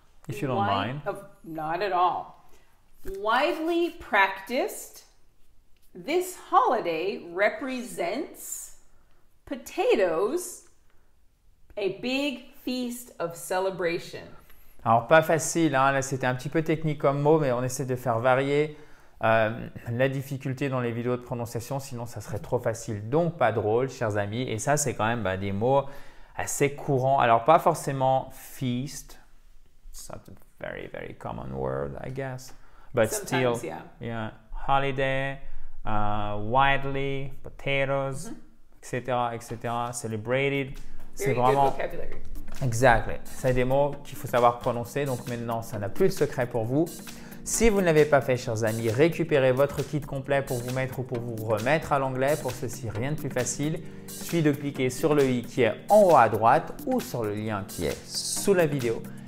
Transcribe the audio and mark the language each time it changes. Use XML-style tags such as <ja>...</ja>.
<en>if you don't mind. Not at all. Widely practiced, this holiday represents potatoes, a big feast of celebration.</en> <fr>Alors, pas facile, hein? Là, c'était un petit peu technique comme mot, mais on essaie de faire varier la difficulté dans les vidéos de prononciation, sinon ça serait trop facile. Donc, pas drôle, chers amis. Et ça, c'est quand même des mots assez courants. Alors, pas forcément feast.</fr> <en>It's not a very, very common word, I guess. But sometimes, still, yeah. Holiday, widely, potatoes, etc., etc., celebrated.</en> <fr>C'est vraiment.</fr> <en>Good vocabulary. Exactly.</en> <fr>C'est des mots qu'il faut savoir prononcer. Donc maintenant, ça n'a plus de secret pour vous. Si vous ne l'avez pas fait, chers amis, récupérez votre kit complet pour vous mettre ou pour vous remettre à l'anglais. Pour ceci, rien de plus facile. Il suffit de cliquer sur le i qui est en haut à droite ou sur le lien qui est sous la vidéo.</fr>